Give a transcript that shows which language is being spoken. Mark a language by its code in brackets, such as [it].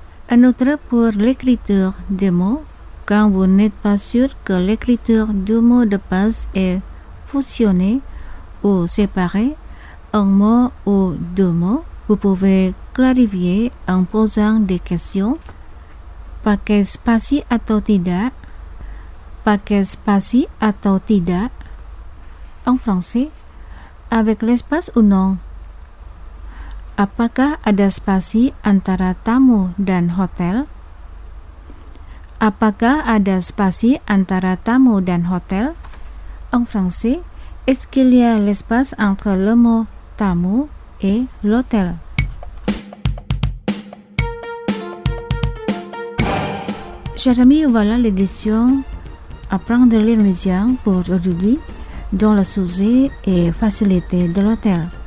[fr] Un autre pour l'écriture des mots, quand vous n'êtes pas sûr que l'écriture du mot de passe est fusionnée ou séparée, un mot ou deux mots, vous pouvez clarifier en posant des questions. [id] Pakai spasi atau tidak? Pakai spasi atau tidak? [fr] En français, avec l'espace ou non? [id] Apakah ada spasi antara tamu dan hotel? Apakah ada spasi antara tamu dan hotel? [fr] En français, est-ce qu'il y a l'espace entre le mot tamu et l'hôtel? Chers amis, voilà l'édition Apprendre l'Indonésien pour aujourd'hui, dont le sujet est facilité de l'hôtel.